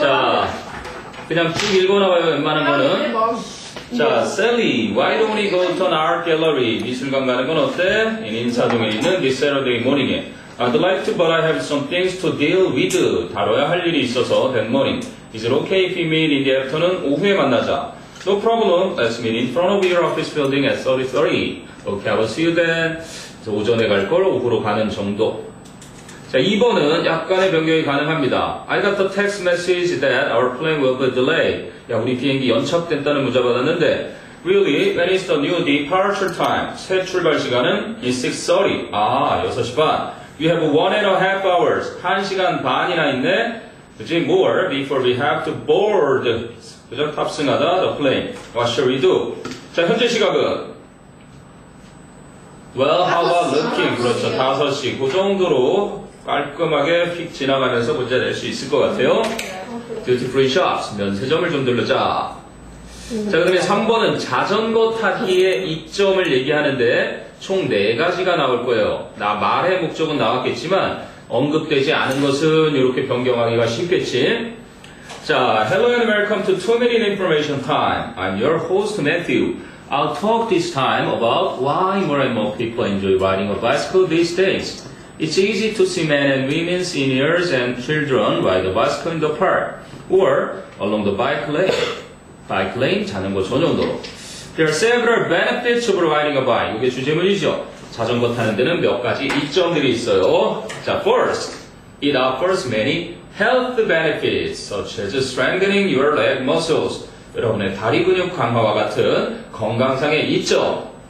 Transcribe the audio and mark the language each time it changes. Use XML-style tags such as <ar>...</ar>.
<ko>자, 그냥 쭉 읽어나가요, 웬만한 거는.</ko> <en>자, Sally, why don't we go to an art gallery?</en> <ko>미술관 가는 건 어때? In 인사동에 있는</ko> <en>this Saturday morning</en> <ko>에.</ko> <en>I'd like to, but I have some things to deal with.</en> <ko>다뤄야 할 일이 있어서</ko> <en>that morning. Is it okay if we meet in the afternoon?</en> <ko>오후에 만나자.</ko> <en>No problem. Let's meet in front of your office building at 3:30. Okay, I will see you then.</en> <ko>오전에 갈 걸 오후로 가는 정도. 자, 2번은 약간의 변경이 가능합니다.</ko> <en>I got the text message that our plane will be delayed.</en> <ko>야, 우리 비행기 연착됐다는 문자 받았는데.</ko> <en>Really? When is the new departure time?</en> <ko>새 출발 시간은</ko> <en>is 6:30.</en> <ko>아, 6시 반.</ko> <en>You have 1.5 hours.</en> <ko>1시간 반이나 있네.</ko> <en>Is it more before we have to board? 그죠? 탑승하다, the plane. What shall we do?</en> <ko>자, 현재 시각은?</ko> <en>Well, how about looking?</en> <ko>그렇죠, 5시. 그 정도로. 깔끔하게 휙 지나가면서 문제 낼 수 있을 것 같아요. 듀티 프리 샵스, 면세점을 좀 들르자. 자, 그다음에 3번은 자전거 타기의 이점을 얘기하는데 총 4가지가 나올 거예요. 나 말의 목적은 나왔겠지만 언급되지 않은 것은 이렇게 변경하기가 쉽겠지.</ko> <en>자, Hello and welcome to 2-Minute Information Time. I'm your host Matthew. I'll talk this time about why more and more people enjoy riding a bicycle these days. It's easy to see men and women, seniors and children ride a bicycle in the park or along the bike lane. Bike lane,</en> <ko>자전거 전용도로.</ko> <en>There are several benefits of riding a bike.</en> <ko>이게 주제문이죠. 자전거 타는 데는 몇 가지 이점들이 있어요. 자,</ko> <en>first, it offers many health benefits such as strengthening your leg muscles.</en> <ko>여러분의 다리 근육 강화와 같은 건강상의 이점.</ko>